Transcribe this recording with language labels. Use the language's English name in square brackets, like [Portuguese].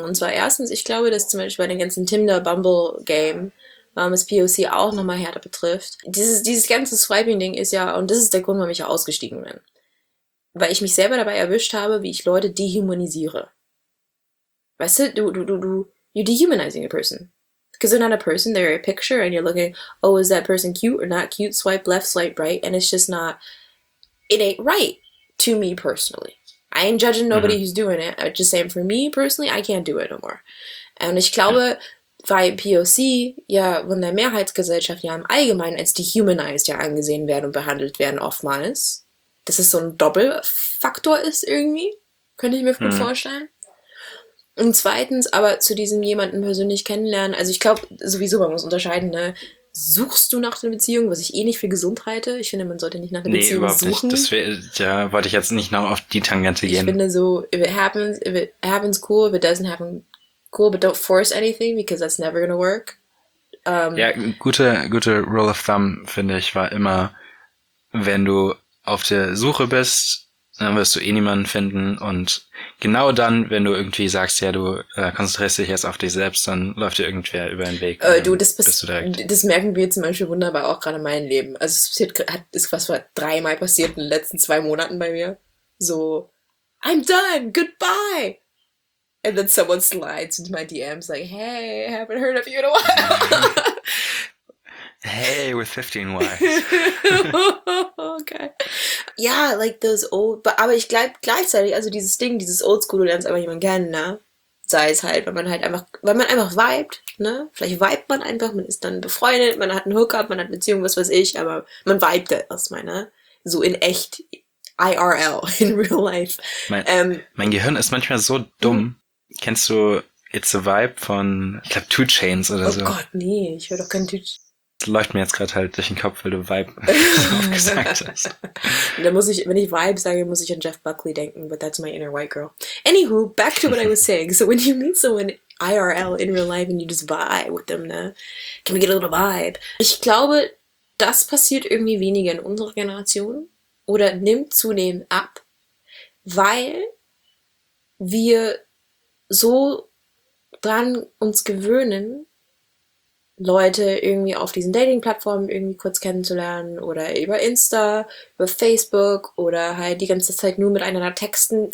[German] Und zwar erstens, ich glaube, dass zum Beispiel bei dem ganzen Tinder-Bumble-Game, warum es POC auch nochmal härter betrifft, dieses ganze Swiping-Ding ist ja, und das ist der Grund, warum ich ausgestiegen bin. Weil ich mich selber dabei erwischt habe, wie ich Leute dehumanisiere. Weißt du, [English] you're dehumanizing a person. Because they're not a person, they're a picture, and you're looking, oh, is that person cute or not cute? Swipe left, swipe right, and it's just not, it ain't right to me personally. I ain't judging nobody who's doing it, I'm just saying for me personally, I can't do it no more. [German] Und ich glaube, weil POC ja von der Mehrheitsgesellschaft ja im Allgemeinen als dehumanized ja angesehen werden und behandelt werden oftmals, dass es so ein Doppelfaktor ist irgendwie, könnte ich mir gut vorstellen. Und zweitens, aber zu diesem jemanden persönlich kennenlernen, also ich glaube sowieso, man muss unterscheiden, ne? Suchst du nach einer Beziehung, was ich eh nicht für gesund halte? Ich finde, man sollte nicht nach einer Nee, Beziehung überhaupt nicht. suchen. Das wäre, ja, wollte ich jetzt nicht noch auf die Tangente Ich gehen. finde so, [English] if it happens, cool, if it doesn't happen, cool, but don't force anything, because that's never gonna work. [German] Ja, gute Rule of Thumb, finde ich, war immer, wenn du auf der Suche bist, dann wirst du eh niemanden finden. Und genau dann, wenn du irgendwie sagst, ja, du konzentrierst dich jetzt auf dich selbst, dann läuft dir irgendwer über den Weg. Bist du direkt. Das merken wir zum Beispiel wunderbar auch gerade in meinem Leben. Also es ist dreimal passiert in den letzten 2 Monaten bei mir. [English] So, I'm done, goodbye. And then someone slides into my DMs like, hey, haven't heard of you in a while. Hey, with 15 wives. Okay. [German] Ja, [English] like those old, [German] aber ich glaube gleichzeitig, also dieses Ding, dieses Oldschool, du lernst einfach jemanden kennen, ne? Sei es halt, weil man einfach vibet, ne? Vielleicht vibet man einfach, man ist dann befreundet, man hat einen Hookup, man hat Beziehung, was weiß ich, aber man vibet erstmal, ne? So in echt, IRL, [English] in real life. [German] Mein Gehirn ist manchmal so dumm. Kennst du It's a Vibe von, ich glaube, 2 Chainz oder so? Oh Gott, nee, ich höre doch kein 2 Chainz. Läuft mir jetzt gerade halt durch den Kopf, weil du Vibe gesagt hast. Da muss ich, wenn ich Vibe sage, muss ich an Jeff Buckley denken, [English] but that's my inner white girl. Anywho, back to what I was saying. So when you meet someone IRL in real life and you just vibe with them, [German] ne? [English] Can we get a little vibe? [German] Ich glaube, das passiert irgendwie weniger in unserer Generation oder nimmt zunehmend ab, weil wir so dran uns gewöhnen, Leute irgendwie auf diesen Dating-Plattformen irgendwie kurz kennenzulernen oder über Insta, über Facebook oder halt die ganze Zeit nur miteinander texten.